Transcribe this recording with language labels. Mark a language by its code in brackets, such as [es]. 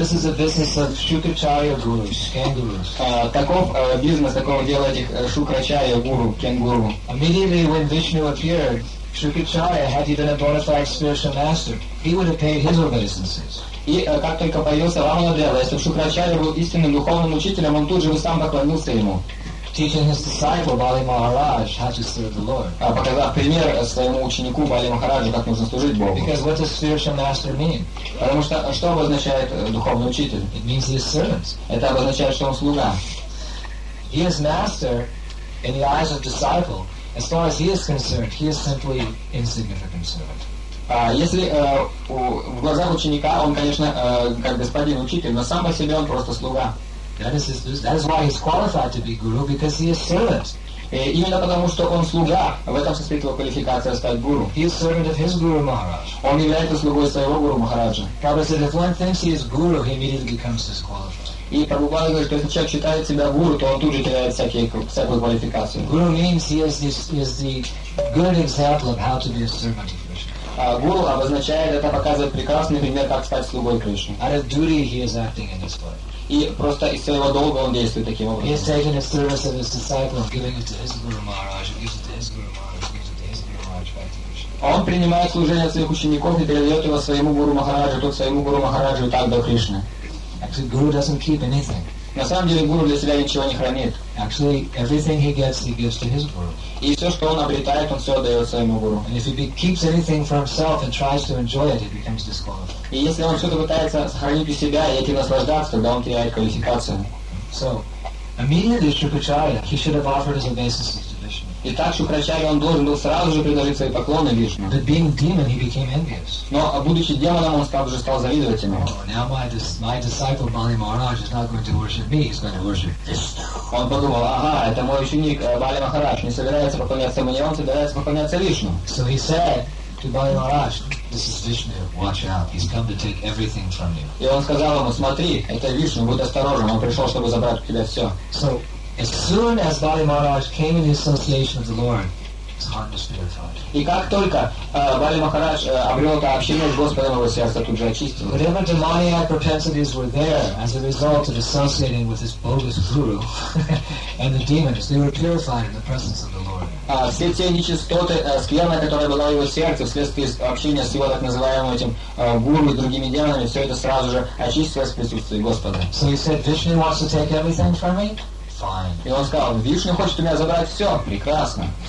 [en] this is the business of Shukracharya gurus, kangurus. [ru] Таков бизнес, такого дела этих Шукрачарья гуру, кенгуру. [en] Immediately when Vishnu appeared, Shukracharya, had he been a bona fide spiritual master, he would have paid his obeisances. [ru] И как только появился Рамана-дева, если бы Шукрачарья был истинным духовным учителем, он тут же бы сам поклонился ему. [en] Teaching his disciple Bali Maharaj how to serve the Lord. [ru] Показав пример своему ученику Бали Махараджу, как нужно служить Богу. [en] Because what does spiritual master mean? [ru] Потому что что обозначает духовный учитель? [en] It means he is servant. [ru] Это обозначает, что он слуга. [en] He is master in the eyes of disciple. As far as he is concerned, he is simply insignificant servant. [ru] Если в глазах ученика он, конечно, как господин учитель, но сам по себе он просто слуга. [en] That is why he's qualified to be guru, because he is servant. [ru] Именно потому, что он слуга, в этом состоит его квалификация стать гуру. [en] He is servant of his guru Maharaj. [ru] Он является слугой своего гуру Махараджа. [en] Prabhupada said, if one thinks he is guru, he immediately becomes disqualified. [ru] И Прабхупада говорит, что если человек считает себя гуру, то он тут же теряет всякую квалификацию. [en] Guru means he is the good example of how to be a servant. [ru] Гуру обозначает, это показывает прекрасный пример, как стать слугой Кришны. [en] Out of duty he is acting in this way. [ru] И просто из своего долга он действует таким образом. [en] He has taken the service of his disciple, giving it to his Guru Maharaj, and gives it to his Guru Maharaj, gives it to his Guru Maharaj back to Krishna. [ru] Он принимает служение от своих учеников и передает его своему Гуру Махараджу, тот своему Гуру Махараджу, так до Кришны. [en] Actually, Guru doesn't keep anything. [ru] На самом деле Гуру для себя ничего не хранит. [en] Actually, everything he gives to his Guru. [ru] И все, что он обретает, он все отдает своему Гуру. [en] And if he keeps anything for himself and tries to enjoy it, he becomes disqualified. [ru] И если он что-то пытается сохранить у себя и этим наслаждаться, тогда он теряет квалификацию. [en] So, immediately Shukracharya, he should have offered his obeisances to Vishnu. [ru] Итак, Шукрачарья, он должен был сразу же предложить свои поклоны Вишну. [en] But being a demon, he became envious. [ru] Но, будучи демоном, он сразу же стал завидовать ему. [en] Oh, now my disciple Bali Maharaj is not going to worship me, he's going to worship Vishnu. [ru] Он подумал, ага, это мой ученик Бали Махарадж, не собирается поклоняться мне, он собирается поклоняться Вишну. [en] So he said to Bali Maharaj, this is Vishnu, watch out, he's come to take everything from you. [ru] И он сказал ему, смотри, это Вишну, будь осторожен, он пришел, чтобы забрать у тебя все. [en] So, as soon as Bali Maharaj came in the association of the Lord, his heart was purified. [ru] И как только Бали Махарадж обрел это общение с Господом, его сердце тут же очистилось. [en] Whatever demoniac propensities were there as a result of associating with his bogus guru and the demons, they were purified in the presence of the Lord. [ru] Все те нечистоты, скверна, которая была в его сердце вследствие общения с его так называемым этим гуру и другими демонами, все это сразу же очистилось в присутствии Господа. [en] So he said, Vishnu wants to take everything from me? [ru] И он сказал, Вишня хочет у меня забрать все. Прекрасно.